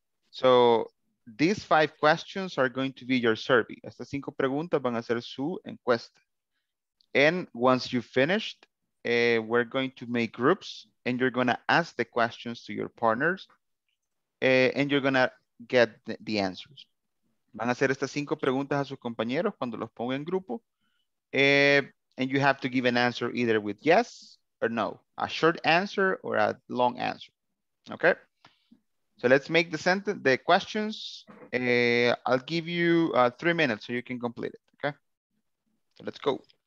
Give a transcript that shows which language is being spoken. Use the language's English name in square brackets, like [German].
[English] So these 5 questions are going to be your survey. [Spanish] Estas 5 preguntas van a ser su encuesta. [English] And once you've finished, we're going to make groups and you're going to ask the questions to your partners and you're going to get the answers. [Spanish] Van a hacer estas 5 preguntas a sus compañeros cuando los ponga en grupo. [English] And you have to give an answer either with yes or no. A short answer or a long answer. Okay? So let's make the sentence, the questions. I'll give you 3 minutes so you can complete it. Okay? So let's go.